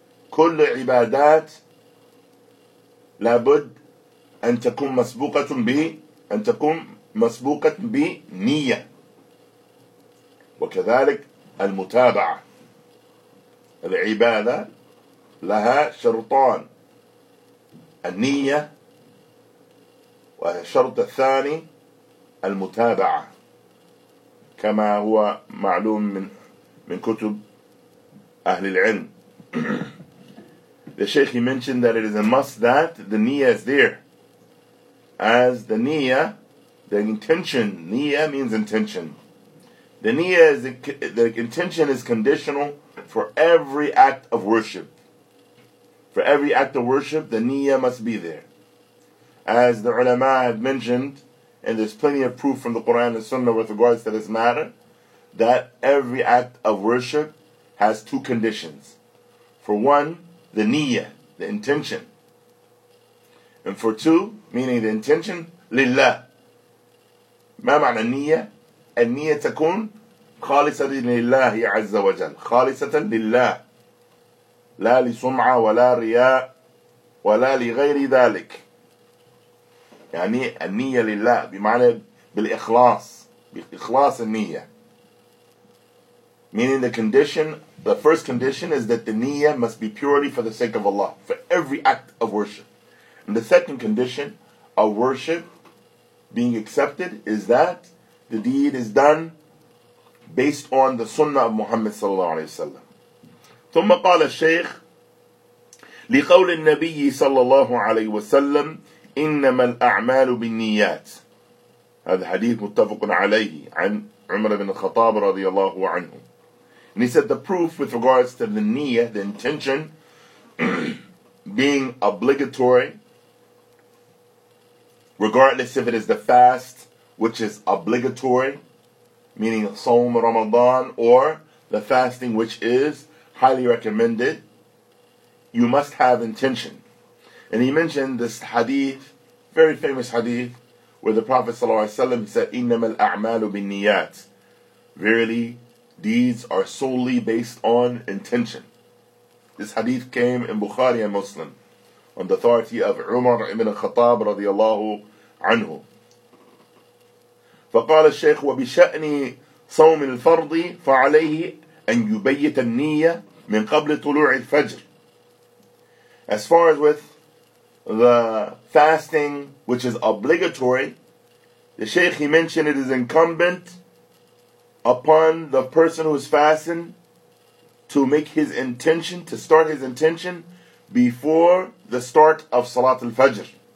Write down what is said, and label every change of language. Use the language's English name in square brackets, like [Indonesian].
[Arabic] كل عبادات لابد أن تكون مسبوقة به أن تكون مسبوقة بنية وكذلك المتابعة العبادة لها شرطان النية والشرط الثاني المتابعة كما هو معلوم من كتب أهل العلم. [English] The Shaykh, he mentioned that it is a must that the niyyah is there. As the niyyah, the intention, niyyah means intention. The niyyah, the intention is conditional for every act of worship. For every act of worship, the niyyah must be there. As the ulama had mentioned, and there's plenty of proof from the Quran and Sunnah with regards to this matter, that every act of worship has two conditions. For one, the niyyah, the intention. And for two, meaning the intention, لله. [Arabic] ما معنى النية؟ النية تكون خالصة لله عز وجل. خالصة لله. لا لسمعة ولا رياء ولا لغير ذلك. يعني النية لله بمعنى بالإخلاص. بإخلاص النية. [English] Meaning the condition, the first condition is that the niyyah must be purely for the sake of Allah, for every act of worship. And the second condition of worship being accepted is that the deed is done based on the sunnah of Muhammad sallallahu alayhi wa sallam. [Arabic] ثم قال الشيخ لقول النبي صلى الله عليه وسلم إنما الأعمال بالنيات. هذا حديث متفق عليه عن عمر بن الخطاب رضي الله عنه. [English] And he said the proof with regards to the niyyah, the intention, being obligatory, regardless if it is the fast which is obligatory, meaning Sawm Ramadan, or the fasting which is highly recommended, you must have intention. And he mentioned this hadith, very famous hadith, where the Prophet ﷺ said, [Arabic] إِنَّمَا الْأَعْمَالُ بِالنِّيَّاتِ. [English] Verily, deeds are solely based on intention. This hadith came in Bukhari and Muslim on the authority of Umar ibn al-Khattab radiallahu anhu. [Arabic] فَقَالَ الشَّيْخُ وَبِشَأْنِ صَوْمِ الْفَرْضِ فَعَلَيْهِ أَنْ يُبَيِّتَ النِّيَّةِ مِنْ قَبْلِ طُلُوعِ الْفَجْرِ. [English] As far as with the fasting, which is obligatory. The Sheikh, he mentioned it is incumbent upon the person who is fasting to make his intention, to start his intention before the start of Salat al-Fajr.